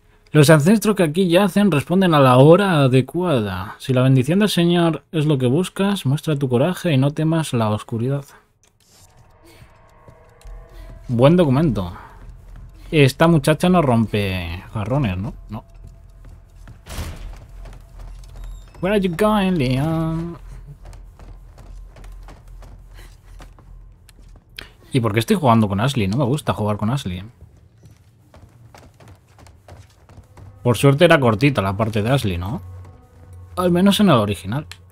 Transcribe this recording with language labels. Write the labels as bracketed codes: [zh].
[es] Los ancestros que aquí yacen responden a la hora adecuada. Si la bendición del Señor es lo que buscas, muestra tu coraje y no temas la oscuridad. Buen documento. Esta muchacha no rompe jarrones, ¿no? No. [en] Where are you going, Leon? [es] ¿Y por qué estoy jugando con Ashley? No me gusta jugar con Ashley. Por suerte era cortita la parte de Ashley, ¿no? Al menos en el original.